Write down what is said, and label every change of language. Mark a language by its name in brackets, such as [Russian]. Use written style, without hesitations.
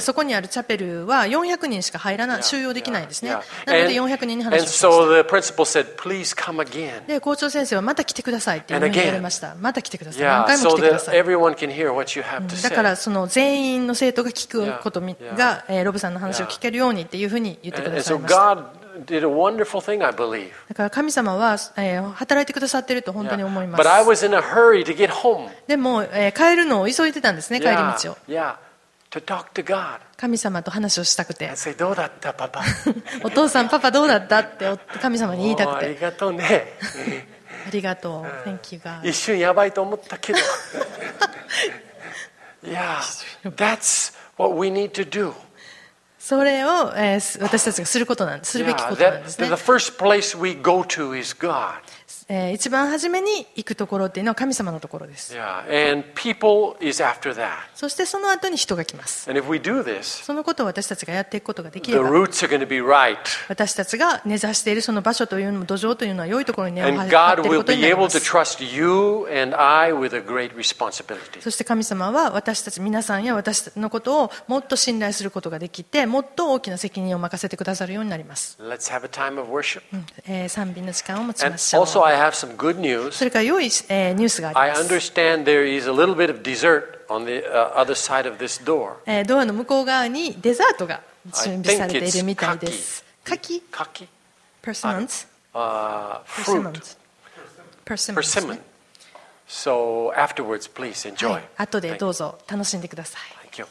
[Japanese] そこにあるチャペルは400人しか入らない、収容できないんですね。なので400人に話をしました。 [English] And so the principal said, please come again. [Japanese] で、校長先生はまた来てくださいって言われました。また来てください。 [English] Yeah, [Japanese] 何回も来てください。 [English] So that everyone can hear what you have to say. [Japanese] だからその全員の生徒が聞くことが、ロブさんの話を聞けるようにっていうふうに言ってくださいました。 [English] And so God did a wonderful thing, I believe. [Japanese] だから神様は、働いてくださっていると本当に思います。 [English] But I was in a hurry to get home. [Japanese] でも、帰るのを急いでたんですね、帰り道を。 [English] Yeah, to talk to God. [Japanese] 神様と話をしたくて。 [English] I say, [Japanese] どうだった、パパ。お父さん、パパどうだったって神様に言いたくて。ありがとうね。ありがとう。 [English] Thank you, God. [Japanese] 一瞬やばいと思ったけど。 [English] Yeah, that's what we need to do. [Japanese] それを、私たちがすることなんです。するべきことなんですね。 [English] the first place we go to is God. [Japanese] 一番初めに行くところっていうのは神様のところです。 [English] yeah. And people is after that. [Japanese] そしてその後に人が来ます。 [English] And if we do this, [Japanese] そのことを私たちがやっていくことができれば、 [English] the roots are going to be right. [Japanese] 私たちが根ざしているその場所というのも土壌というのは良いところに根を張っていることになります。 [English] And God will be able to trust you and I with a great responsibility. [Japanese] そして神様は私たち皆さんや私のことをもっと信頼することができて、もっと大きな責任を任せてくださるようになります。 [English] Let's have a time of worship. [Japanese] 賛美の時間を持ちましょう。 [English] I have some good news. [Japanese] それから良い、ニュースがあります。 [English] I understand there is a little bit of dessert on the other side of this door. [Japanese] ドアの向こう側にデザートが準備されているみたいです。柿？柿？ [English] Persimmons? Fruit? Persimmons? So afterwards, please enjoy. [Japanese] 後でどうぞ楽しんでください。